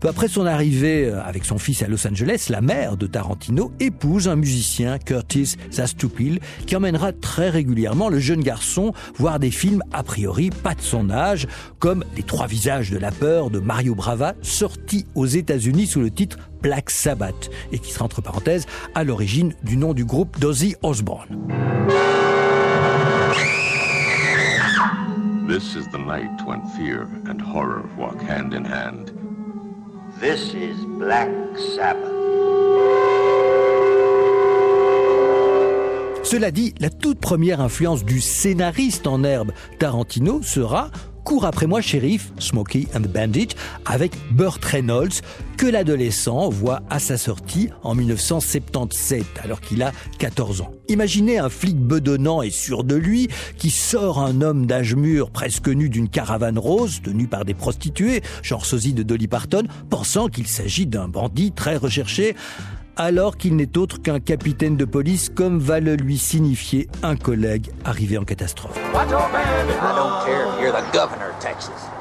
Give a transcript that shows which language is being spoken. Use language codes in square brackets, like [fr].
[fr] Peu après son arrivée avec son fils à Los Angeles, la mère de Tarantino épouse un musicien, Curtis Zastupil, qui emmènera très régulièrement le jeune garçon voir des films a priori pas de son âge, comme Les Trois Visages de la Peur de Mario Brava, sorti aux États-Unis sous le titre Black Sabbath, et qui sera entre parenthèses à l'origine du nom du groupe d'Ozzy Osbourne. [en] This is the night when fear and horror walk hand in hand. This is Black Sabbath. [fr] Cela dit, la toute première influence du scénariste en herbe Tarantino sera Cours après moi, shérif, Smokey and the Bandit, avec Burt Reynolds, que l'adolescent voit à sa sortie en 1977, alors qu'il a 14 ans. Imaginez un flic bedonnant et sûr de lui qui sort un homme d'âge mûr presque nu d'une caravane rose, tenu par des prostituées, genre sosie de Dolly Parton, pensant qu'il s'agit d'un bandit très recherché, alors qu'il n'est autre qu'un capitaine de police, comme va le lui signifier un collègue arrivé en catastrophe. [en] I don't care if you're the governor of Texas.